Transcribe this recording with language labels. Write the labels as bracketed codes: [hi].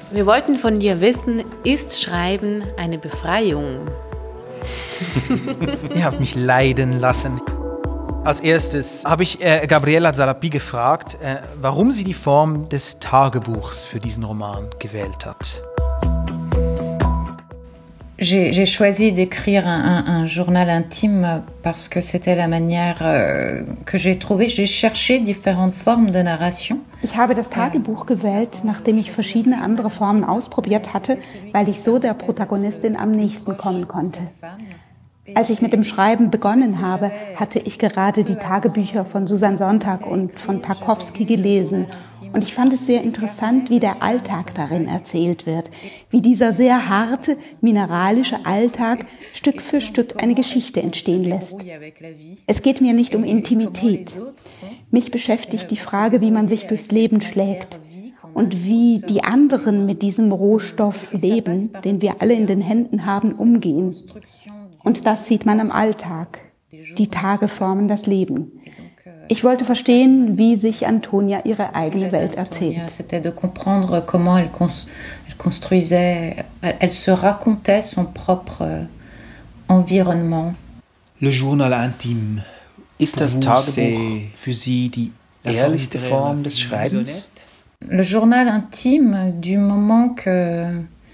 [de] Wir wollten von dir wissen, ist Schreiben eine Befreiung? Ihr habt mich leiden lassen. Als erstes habe ich Gabriela Salapi gefragt, warum sie die Form des Tagebuchs für diesen Roman gewählt hat. [fr] J'ai choisi d'écrire un journal intime parce que c'était la manière que j'ai trouvé. J'ai cherché différentes formes de narration. [de] Ich habe das Tagebuch gewählt, nachdem ich verschiedene andere Formen ausprobiert hatte, weil ich so der Protagonistin am nächsten kommen konnte. Als ich mit dem Schreiben begonnen habe, hatte ich gerade die Tagebücher von Susan Sontag und von Tarkowski gelesen. Und ich fand es sehr interessant, wie der Alltag darin erzählt wird, wie dieser sehr harte, mineralische Alltag Stück für Stück eine Geschichte entstehen lässt. Es geht mir nicht um Intimität. Mich beschäftigt die Frage, wie man sich durchs Leben schlägt und wie die anderen mit diesem Rohstoff Leben, den wir alle in den Händen haben, umgehen. Und das sieht man im Alltag. Die Tage formen das Leben. Ich wollte verstehen, wie sich Antonia ihre eigene Welt erzählt. [fr] C'était de comprendre comment elle construisait, elle se racontait son propre environnement. Le journal intime. [de] Ist das Tagebuch für Sie die ehrlichste Form des Schreibens? [fr] Le journal intime du moment qu'on